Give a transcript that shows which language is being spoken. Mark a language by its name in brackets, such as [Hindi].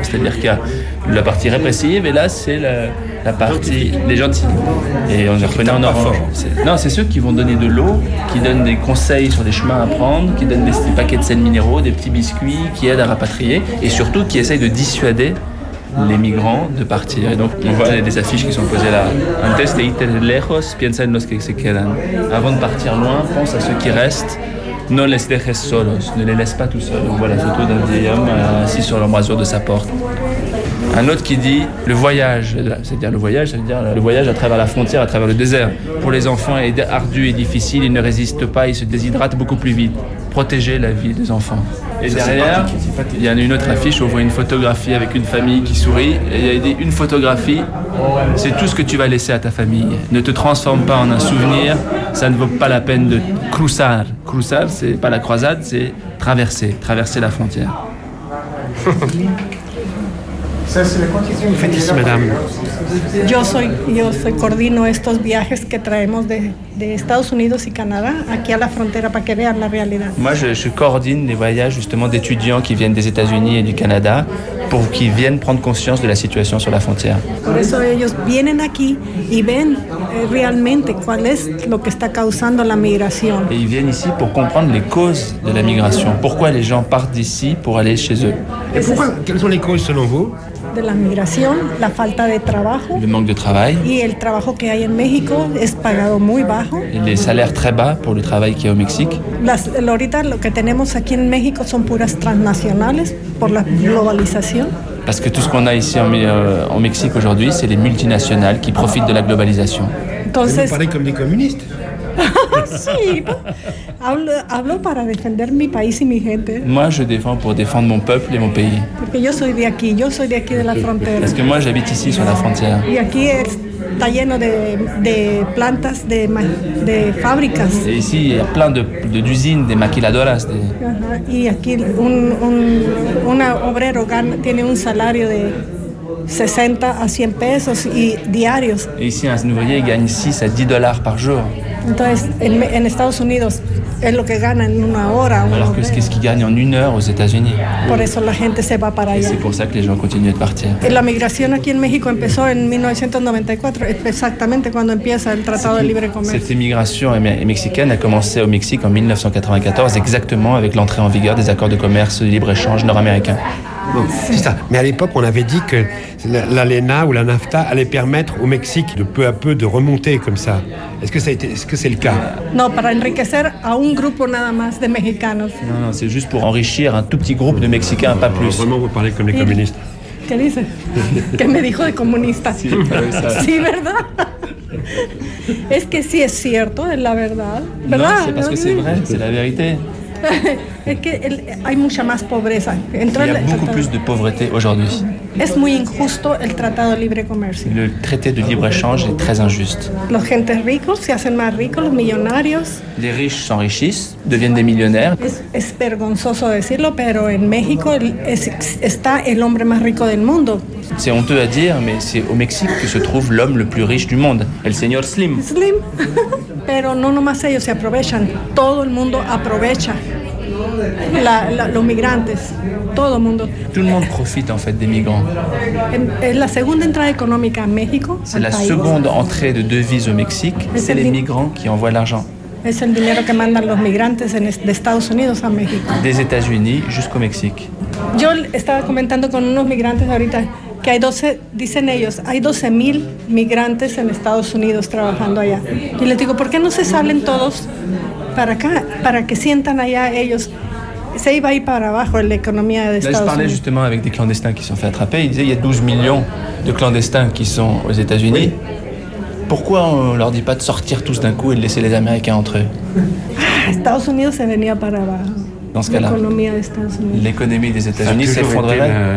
[French] C'est-à-dire qu'il y a la partie répressive et là, c'est la partie les gentils. Et on est reprenant en orange. C'est ceux qui vont donner de l'eau, qui donnent des conseils sur les chemins à prendre, qui donnent des paquets de sel minéraux, des petits biscuits, qui aident à rapatrier et surtout qui essayent de dissuader les migrants de partir. Et donc, on voit des affiches qui sont posées là. [Spanish] Antes de ir lejos, piensa en los que se quedan. [French] Avant de partir loin, pense à ceux qui restent. [Spanish] No les dejes solos. [French] Ne les laisse pas tout seuls. On voit la photo d'un vieil homme assis sur l'embrasure de sa porte. Un autre qui dit le voyage. C'est-à-dire le voyage, ça veut dire le voyage à travers la frontière, à travers le désert. Pour les enfants, est ardu et difficile. Ils ne résistent pas, ils se déshydratent beaucoup plus vite. Protéger la vie des enfants. Et ça, derrière, il y a une autre affiche où on voit une photographie avec une famille qui sourit. Et il y a dit, une photographie, c'est tout ce que tu vas laisser à ta famille. Ne te transforme pas en un souvenir, ça ne vaut pas la peine de cruzar. Cruzar, c'est pas la croisade, c'est traverser la frontière. Vous faites ici, madame. Je coordine ces voyages [Spanish] que traemos de Estados Unidos y Canadá, aquí a la frontera, para que vean la realidad. [French] Moi, je coordine les voyages justement d'étudiants qui viennent des États-Unis et du Canada pour qu'ils viennent prendre conscience de la situation sur la frontière. [Spanish] Por eso ellos vienen aquí y ven realmente cuál es lo que está causando la migración. [French] Et ils viennent ici pour comprendre les causes de la migration. Pourquoi les gens partent d'ici pour aller chez eux? Et pourquoi? Quelles sont les causes selon vous? [Spanish] De la migración, la falta de trabajo. [French] Le manque de travail. [Spanish] Y el trabajo que hay en México es pagado muy bajo. [French] Et les salaires très bas pour le travail qu'il y a au Mexique. [Spanish] Ahorita lo que tenemos aquí en México son puras transnacionales por la globalización. [French] Parce que tout ce qu'on a ici en Mexique aujourd'hui, c'est les multinationales qui profitent de la globalisation. Entonces, vous parlez comme des communistes. [Spanish] Hablo para defender mi país y mi gente. [French] Moi, je défends pour défendre mon peuple et mon pays. [Spanish] Porque yo soy de aquí, yo soy de aquí de la frontera. [French] Parce que moi, j'habite ici sur la frontière. [Spanish] Y aquí está lleno de plantas, de fábricas. [French] Et ici, il y a plein d'usines, de maquiladoras. [Spanish] Y aquí un obrero tiene un salario de 60 à 100 pesos y diarios. [French] Et ici, un ouvrier gagne 6 à 10 dollars par jour. [Spanish] Entonces, en Estados Unidos, es lo que gana en una hora. [French] Alors que qu'est-ce qu'il gagne en une heure aux États-Unis? [Spanish] Por eso la gente se va para [French] Et [Spanish] allá. [French] C'est pour ça que les gens continuent de partir. [Spanish] Et la migración aquí en México empezó en 1994, exactamente cuando empieza el Tratado de Libre Comercio. [French] Cette immigration mexicaine a commencé au Mexique en 1994, exactement avec l'entrée en vigueur des accords de commerce de libre-échange nord-américain. Bon, c'est ça. Mais à l'époque, on avait dit que l'ALENA ou la NAFTA allait permettre au Mexique de peu à peu de remonter comme ça. Est-ce que ça a été, est-ce que c'est le cas? Non, pour enrichir un groupe [Spanish] nada más de mexicanos. [French] Non, non, c'est juste pour enrichir un tout petit groupe de Mexicains, non, pas plus. Vraiment, vous parlez comme les communistes. [Spanish] ¿Qué dice? ¿Qué me dijo de comunista? Sí, pero sí, ¿verdad? Es que sí es cierto, es la verdad. ¿Verdad? [French] No, c'est parce que c'est vrai, c'est la vérité. [Spanish] Es que hay mucha más pobreza. [French] Il y a beaucoup plus de pauvreté aujourd'hui. [Spanish] Es muy injusto el tratado de libre comercio. [French] Le traité de libre-échange est très injuste. [Spanish] Los gentes ricos se hacen más ricos, los millonarios. [French] Les riches s'enrichissent, deviennent des millionnaires. [Spanish] Es vergonzoso decirlo, pero en México está el hombre más rico del mundo. [French] C'est honteux à dire, mais c'est au Mexique que se trouve l'homme le plus riche du monde, el señor Slim. Slim. [Spanish] Pero no nomás ellos se aprovechan, todo el mundo aprovecha. Los migrantes, todo el mundo. [French] Tout le monde profite en fait des migrants. [Spanish] Es la segunda entrada económica a México. [French] C'est la segunda entrée de devises au Mexique. C'est les migrants qui envoient l'argent. [Spanish] Es el dinero que mandan los migrantes de Estados Unidos a México. [French] Des États-Unis jusqu'au Mexique. [Spanish] Yo estaba comentando con unos migrantes ahorita que hay 12, dicen ellos, hay 12,000 migrantes en Estados Unidos trabajando allá. Y les digo, ¿por qué no se salen todos para acá, para que sientan allá ellos? Se iba ahí para abajo la economía de Estados Unidos. [French] Là, je parlais justement avec des clandestins qui sont fait attraper. Ils disaient, il y a 12 millions de clandestins qui sont aux États-Unis. Oui. Pourquoi on ne leur dit pas de sortir tous d'un coup et de laisser les Américains entre eux? [Spanish] Estados Unidos se venía para abajo. [French] Dans ce cas-là, l'économie des États-Unis s'effondrerait.